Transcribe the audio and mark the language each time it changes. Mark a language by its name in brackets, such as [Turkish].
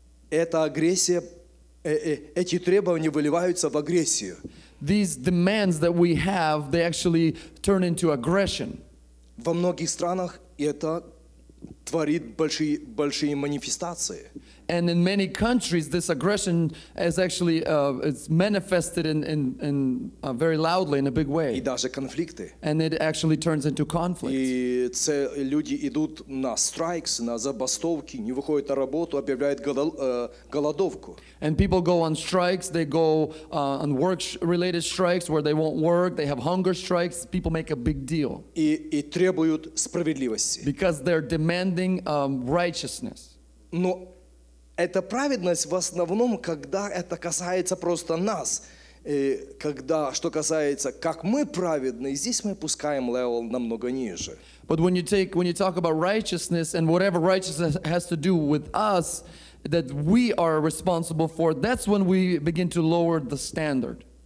[Russian] Эта агрессия, эти требования выливаются в агрессию. [English] These demands that we have, they actually turn into aggression. [Russian] Во многих странах это творит большие манифестации. [English] And in many countries, this aggression is actually it's manifested in very loudly in a big way. [Russian] И даже конфликты. [English] And it actually turns into conflict. [Russian] И це люди идут на strikes, на забастовки, не выходят на работу, объявляют голодовку. [English] And people go on strikes. They go on work-related strikes where they won't work. They have hunger strikes. People make a big deal. [Russian] И требуют справедливости. [English] Because they're demanding righteousness. [Russian] Но это праведность в основном, когда это касается просто нас. И когда, что касается, как мы праведны, здесь мы пускаем левел намного ниже. [English] But when you talk about righteousness and whatever righteousness has to do with us, that we are responsible for, that's when we begin to lower the standard.